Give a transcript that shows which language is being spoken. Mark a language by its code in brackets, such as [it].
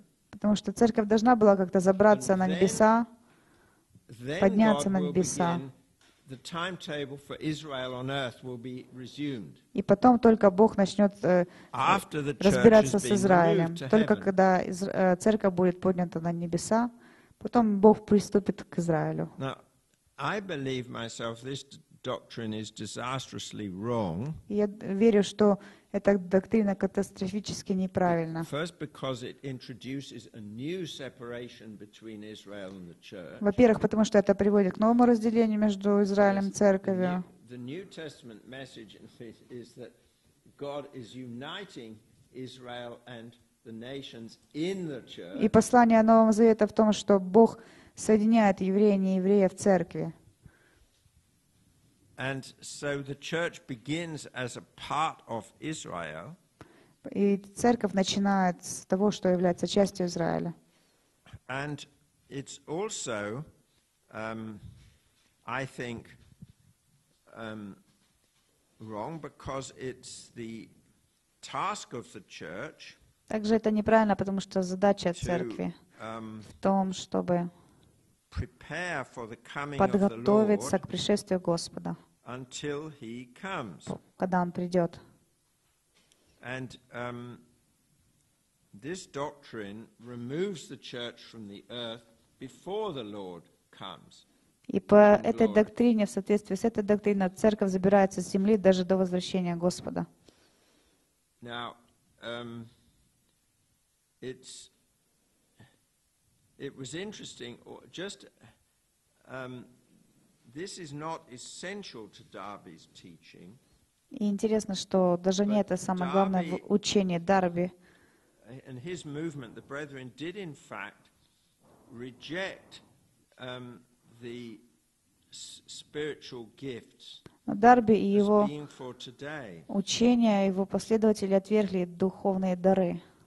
[ru] Потому что церковь должна была как-то забраться на небеса, подняться на небеса. [en] The timetable for Israel on earth will be resumed. [ru] И потом только Бог начнет разбираться с Израилем. Только когда церковь будет поднята на небеса, потом Бог приступит к Израилю. [en] Now, I believe myself this doctrine is disastrously wrong. [ru] Я верю, что эта доктрина катастрофически неправильна. [en] First, because it introduces a new separation between Israel and the church. [ru] Во-первых, потому что это приводит к новому разделению между Израилем и церковью. [en] The New Testament message is that God is uniting Israel and the nations in the church. [ru] И послание Нового Завета в том, что Бог соединяет евреев и неевреев в церкви. [en] And so the church begins as a part of Israel. [ru] И церковь начинает с того, что является частью Израиля. [en] And it's also I think, wrong, because it's the task of the church. [ru] Также это неправильно, потому что задача церкви в том, чтобы подготовиться к пришествию Господа, когда Он придет. [en] And this doctrine removes the church from the earth before the Lord comes. [ru] И по этой доктрине, в соответствии с этой доктриной, церковь забирается с земли даже до возвращения Господа. [en] Now, it was interesting, just this is not essential to Darby's teaching. [ru] И интересно, что даже не это самое главное учение Дарби. [en] And his movement, the brethren did in fact reject the spiritual gifts. [ru] Дарби и его учение, его последователи отвергли духовные дары.